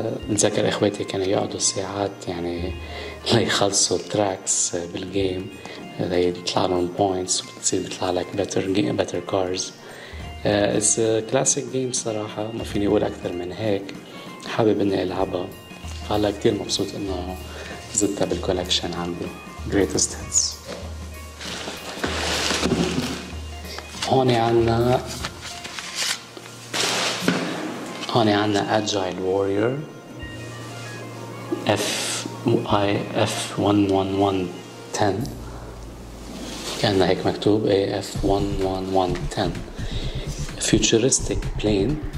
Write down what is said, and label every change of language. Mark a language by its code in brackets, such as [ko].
[ar] بتذكر اخواتي كانوا يقعدوا ساعات يعني ليخلصوا التراكس بالجيم ليطلع لهم بوينتس وبتصير بيطلع لك [en] Better cars. It's classic game [ar] صراحه، ما فيني اقول اكثر من هيك. حابب اني العبها، فهلا كثير مبسوط انه زدتها بالكولكشن عندي. Greatest Hits. هون عنا Agile Warrior F1110. كان هيك مكتوب F1110 Futuristic Plane.